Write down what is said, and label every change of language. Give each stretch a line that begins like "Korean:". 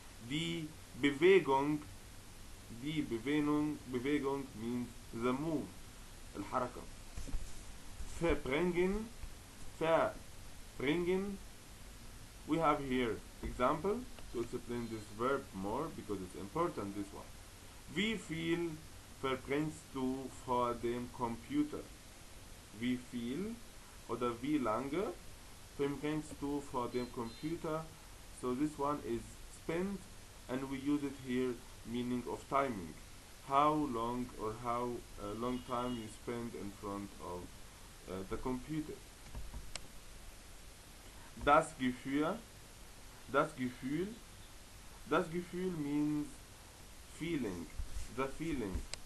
German: Die Bewegung, Bewegung
English: means the move, al-haraka.
German: Verbringen, verbringen.
English: We have here example to explain this verb more because it's important, this one.
German: Wie viel verbringst du vor dem Computer? Wie viel oder wie lange verbringst du vor dem Computer?
English: So this one is spent, and we use it here meaning of timing. How long or how long time you spend in front of the computer.
German: Das Gefühl. Das Gefühl. Das Gefühl
English: means feeling. The feeling.